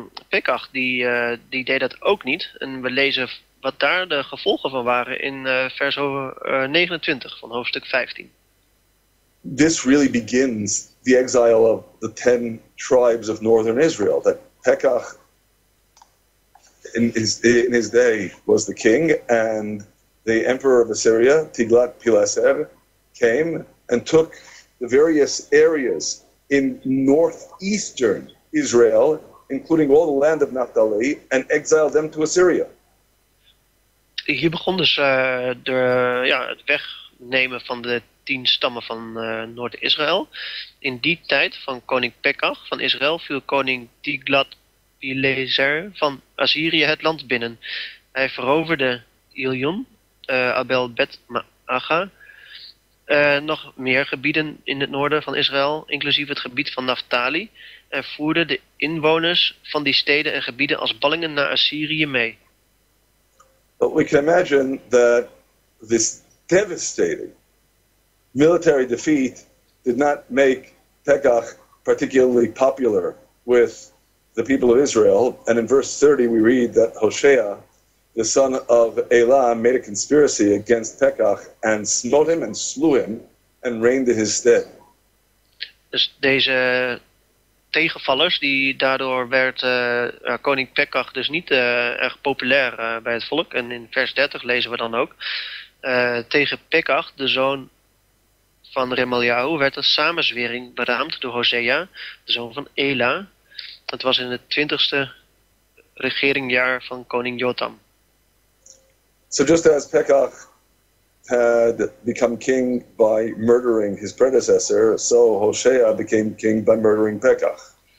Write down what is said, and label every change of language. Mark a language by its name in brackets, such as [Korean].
[Dutch] Pekach, die deed dat ook niet. En we lezen wat daar de gevolgen van waren in vers 29 van hoofdstuk 15. [English] This really begins the exile of the 10 tribes of northern Israel. That Pekach, in his day, was the king, and the emperor of Assyria, Tiglath-Pileser, came and took the various areas in northeastern Israel, including all the land of Naphtali, and exiled them to Assyria. [Dutch] Hier begon dus het wegnemen van de 10 stammen van Noord-Israël. In die tijd van koning Pekach van Israël viel koning Tiglath-Pileser van Assyrië het land binnen. Hij veroverde Ilion, Abel Bet Maacha, nog meer gebieden in het noorden van Israël, inclusief het gebied van Naphtali, en voerde de inwoners van die steden en gebieden als ballingen naar Assyrië mee. [English] But we can imagine that this devastating military defeat did not make Pekach particularly popular with the people of Israel. And in verse 30 we read that Hoshea, the son of Elah, made a conspiracy against Pekach and smote him and slew him and reigned in his stead. [Dutch] Dus deze tegenvallers, die daardoor werd koning Pekach dus niet erg populair bij het volk. En in vers 30 lezen we dan ook. Tegen Pekach, de zoon van Remaliahu, werd een samenzwering beraamd door Hosea, de zoon van Ela. Dat was in het 20ste regeringjaar van koning Jotam. [English] So just as Pekach had become king by murdering his predecessor, so Hosea became king by murdering Pekach.